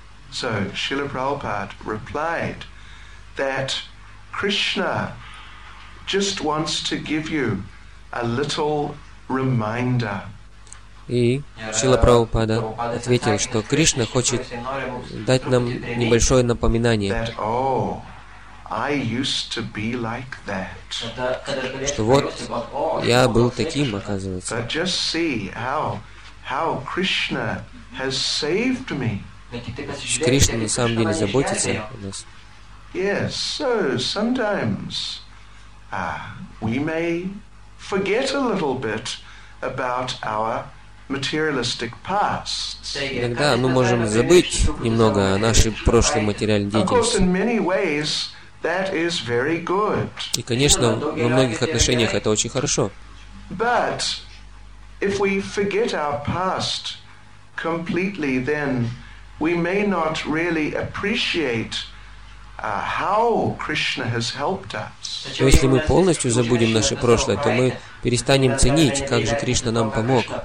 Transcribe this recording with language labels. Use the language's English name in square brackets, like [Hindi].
[English] So, Srila Prabhupada replied that Krishna just wants to give you a little reminder. [Russian] И Шрила Прабхупада ответил, что Кришна хочет дать нам небольшое напоминание. [English] I used to be like that. [Russian] Что вот я был таким, оказывается. [English] But just see how Krishna has saved me. [Russian] Ведь Кришна на самом деле заботится о нас. [English] Yes, so sometimes we may forget a little bit about our materialistic pasts. [Russian] Иногда мы можем забыть немного о нашей прошлой материальной деятельности. [English] Of course, in many ways that is very good. [Russian] И, конечно, во многих отношениях это очень хорошо. [English] But if we forget our past completely, then we may not really appreciate how Krishna has helped us. [Russian] Но если мы полностью забудем наше прошлое, то мы перестанем ценить, как же Кришна нам помог.